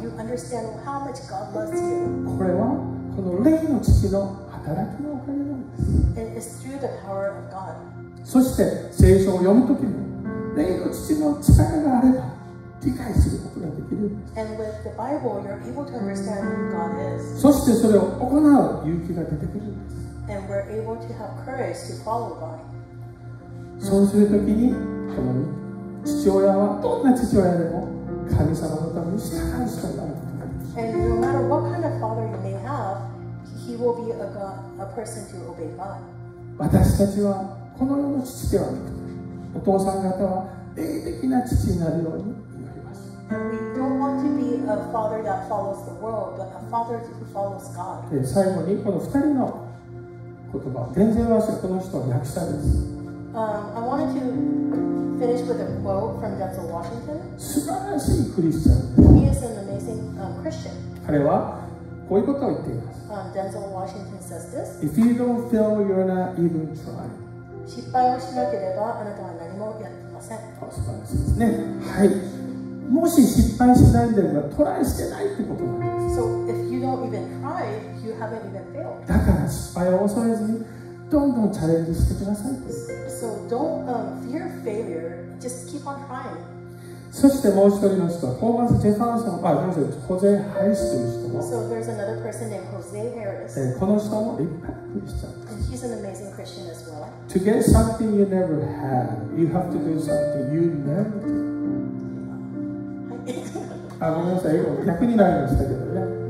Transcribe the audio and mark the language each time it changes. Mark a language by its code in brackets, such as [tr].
[ja] これはこの霊の父の働きのおかげなんです。 [en] And it's through the power of God. [ja] そして聖書を読むときも霊の父の力があれば理解することができる。 [en] And with the Bible, you're able to understand who God is. [ja] そしてそれを行う勇気が出てくるんです。 [en] And we're able to have courage to follow God. [ja] そうするときにこの父親はどんな父親でも神様のために従う人になる。 [en] And no matter what kind of father you may have, he will be a God, a person to obey God. [ja] 私たちはこの世の父ではなく、お父さん方は霊的な父になるように祈ります。 [en] And we don't want to be a father that follows the world, but a father who follows God. [ja] 最後にこの二人の言葉、伝道話はこの人は訳したです。 [en] I wanted to finish with a quote from Denzel Washington. [ja] 素晴らしいクリスチャン。 [en] He is an amazing Christian. [ja] 彼はこういうことを言っています。 [en] Denzel Washington says this. If you don't fail, you're not even trying. [ja] 失敗をしなければあなたは何もやっていません。素晴らしいですね。はい。もし失敗しないんだればトライしてないってことなんです。 [en] So if you don't even try, you haven't even failed. [ja] だから失敗を恐れずにどんどんチャレンジしてくださいって。 [en] So don't fear failure. Just keep on trying. [ja] そしてもう一人の人はホーマス・ジェファーソン、あ、ホゼ・ハリスという人も、 [en] so there's another person named Jose Harris. [ja] この人も立派なクリスチャン。 [en] And he's an amazing Christian as well. To get something you never had, you have to do something you never did. [ja] あ、ごめんなさい、英語逆になりましたけどね。